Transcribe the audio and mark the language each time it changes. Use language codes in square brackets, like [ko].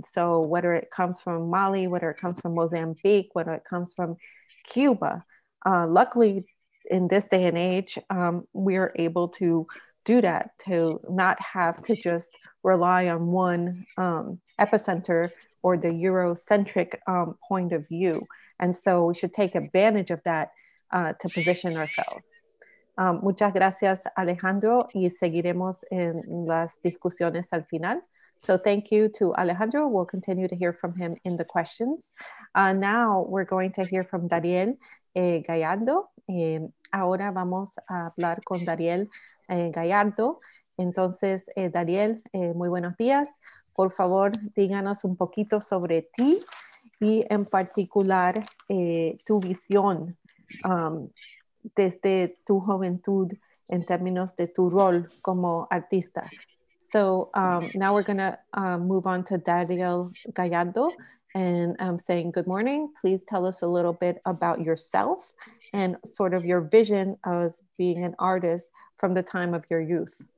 [en] So whether it comes from Mali, whether it comes from Mozambique, whether it comes from Cuba, luckily in this day and age, we are able to do that, to not have to just rely on one epicenter or the Eurocentric point of view. And so we should take advantage of that to position ourselves. [es] Muchas gracias, Alejandro, y seguiremos en las discusiones al final. [en] So thank you to Alejandro. We'll continue to hear from him in the questions. Now we're going to hear from Dariel Gallardo. [es] Ahora vamos a hablar con Dariel Gallardo. Entonces, Dariel, muy buenos días. Por favor, díganos un poquito sobre ti y en particular tu visión desde tu juventud en términos de tu rol como artista. [en] So now we're going to move on to Dariel Gallardo and saying good morning. Please tell us a little bit about yourself and sort of your vision as being an artist from the time of your youth.